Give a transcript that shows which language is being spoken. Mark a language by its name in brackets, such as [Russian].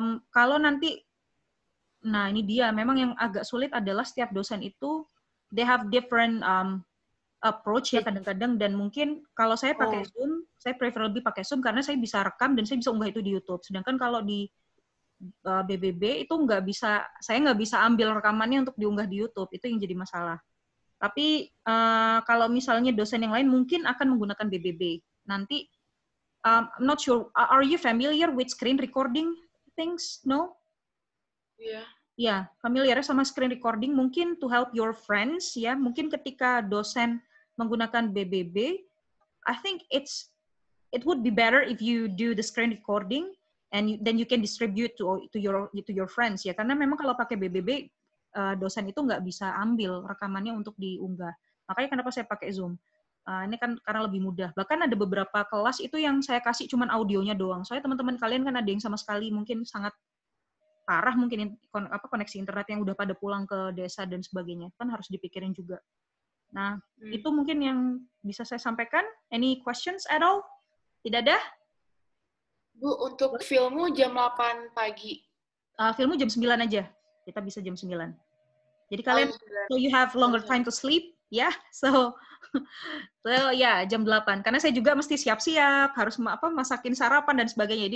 [Indonesian] Kalau nanti, nah ini dia, memang yang agak sulit adalah setiap dosen itu, [English] they have different approach [Indonesian] ya kadang-kadang, dan mungkin kalau saya pakai Zoom, saya prefer lebih pakai Zoom karena saya bisa rekam dan saya bisa unggah itu di YouTube. Sedangkan kalau di BBB itu saya nggak bisa ambil rekamannya untuk diunggah di YouTube, itu yang jadi masalah. Tapi kalau misalnya dosen yang lain mungkin akan menggunakan BBB. Nanti, [English] I'm not sure, are you familiar with screen recording things? No? Yeah. Yeah, familiar sama screen recording, mungkin to help your friends, ya. Yeah. [Indonesian] Mungkin ketika dosen menggunakan BBB, [English] I think it would be better if you do the screen recording, and then you can distribute to your friends [Indonesian] ya, karena memang kalau pakai BBB dosen itu nggak bisa ambil rekamannya untuk diunggah. Makanya kenapa saya pakai Zoom. Ini kan karena lebih mudah. Bahkan ada beberapa kelas itu yang saya kasih cuman audionya doang. Soalnya teman-teman kalian kan ada yang sama sekali mungkin sangat parah mungkin koneksi internet yang udah pada pulang ke desa dan sebagainya. Kan harus dipikirin juga. Nah, itu mungkin yang bisa saya sampaikan. [English] Any questions at all? [Indonesian] Tidak ada? Bu, untuk filmmu jam 8 pagi. Filmmu jam 9 aja. Kita bisa jam 9. Jadi kalian, [English] so you have longer time to sleep, ya? Yeah? So, [Indonesian] jam 8. Karena saya juga mesti siap-siap, harus masakin sarapan dan sebagainya.